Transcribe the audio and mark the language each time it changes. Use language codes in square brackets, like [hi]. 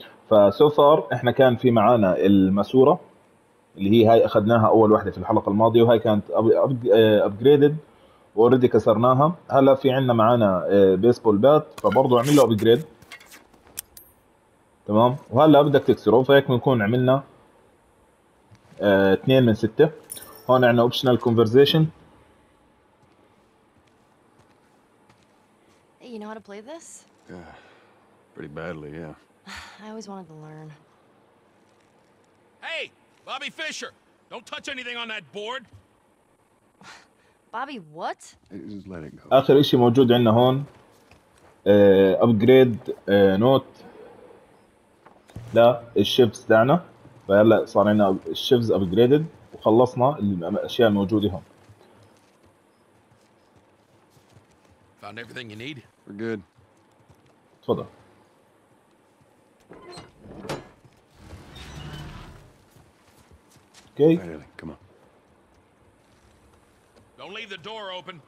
[en] فسو فار [ar] احنا كان في معانا الماسوره اللي هي اخذناها اول واحده في الحلقه الماضيه، وهي كانت [en] upgraded already [ar] كسرناها. هلا في عندنا معانا بيسبول بات، فبرضه اعمل له ابجريد، تمام. وهلا بدك تكسره، فهيك بنكون عملنا 2 من 6. هون عنا [en] Optional conversation. You know how to play this? Pretty badly, yeah. I always wanted to learn. Hey, Bobby Fischer, don't touch anything on that board. Bobby what? Just let it go. [ar] اخر شيء موجود عندنا هون [en] upgrade note [ar] للشيبس تاعنا. فهلا صار عندنا الشيفز ابجريدد، وخلصنا الاشياء الموجوده هون. [en] Found everything you need. We're good. [ar] تفضل. [en] Okay. Really, come on. Don't leave the door open.